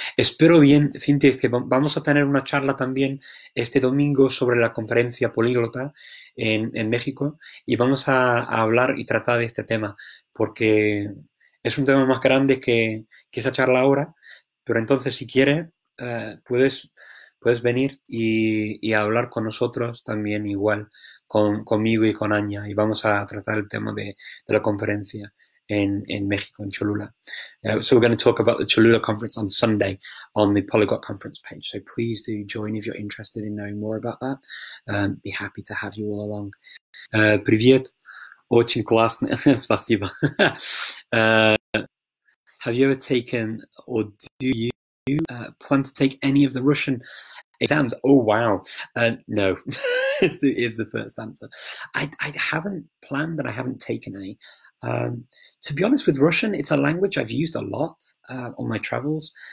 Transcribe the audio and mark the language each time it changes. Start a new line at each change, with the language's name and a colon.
Spanish: Espero bien, Cintia, que vamos a tener una charla también este domingo sobre la conferencia políglota en México y vamos a hablar y tratar de este tema, porque es un tema más grande que esa charla ahora, pero entonces si quieres, puedes venir y hablar con nosotros también igual, conmigo y con Aña, y vamos a tratar el tema de la conferencia.
English: In Mexico, in Cholula. So we're going to talk about the Cholula conference on Sunday on the Polyglot conference page. So please do join if you're interested in knowing more about that. Be happy to have you all along.
Russian: Привет, очень классно, спасибо.
English: Have you ever taken or do you plan to take any of the Russian exams? Oh wow, no. is the first answer. I haven't planned that. I haven't taken any. To be honest, with Russian, it's a language I've used a lot on my travels.